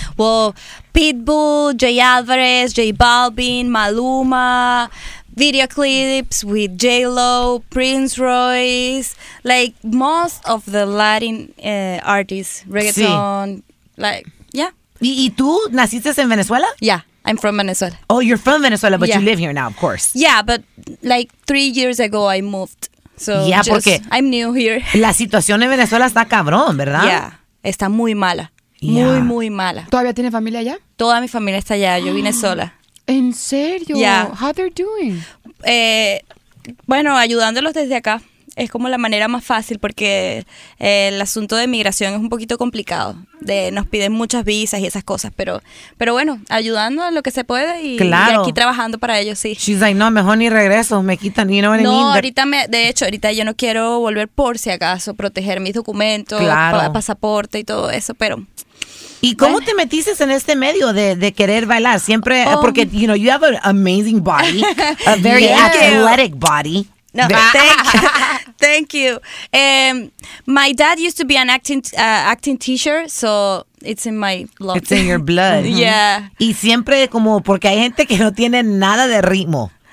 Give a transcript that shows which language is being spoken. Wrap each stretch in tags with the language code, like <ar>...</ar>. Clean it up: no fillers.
<en>Well, Pitbull, Jay Alvarez, Jay Balvin, Maluma, video clips with J-Lo, Prince Royce, like most of the Latin artists, reggaeton,</en> <es>¿Y tú naciste en Venezuela?</es> <en>Yeah, I'm from Venezuela. Oh, you're from Venezuela, but you live here now, of course. Yeah, but like 3 years ago I moved, so</en> <es>Porque</es> <en>I'm new here.</en> <es>La situación en Venezuela está cabrón, ¿verdad? Yeah, está muy mala, muy, muy mala. ¿Todavía tienes familia allá? Toda mi familia está allá, yo vine sola. ¿En serio? Yeah.</es> <en>How they're doing?</en> <es>Bueno, ayudándolos desde acá es como la manera más fácil porque el asunto de migración es un poquito complicado. Nos piden muchas visas y esas cosas, pero bueno, ayudando a lo que se puede y aquí trabajando para ellos, sí.</es> <en>She's like,</en> <es>no, mejor ni regreso, me quitan,</es> <en>you know what I mean?</en> <es>No, ahorita yo no quiero volver por si acaso, proteger mis documentos, pasaporte y todo eso, pero... ¿Y cómo te metiste en este medio de querer bailar? Siempre, porque,</es> <en>you know, you have an amazing body, a very athletic body. No. Thank you. My dad used to be an acting teacher, so it's in my blood. It's in your blood. Mm-hmm. Yeah.</en> <es>Y siempre como, porque hay gente que no tiene nada de ritmo.</es>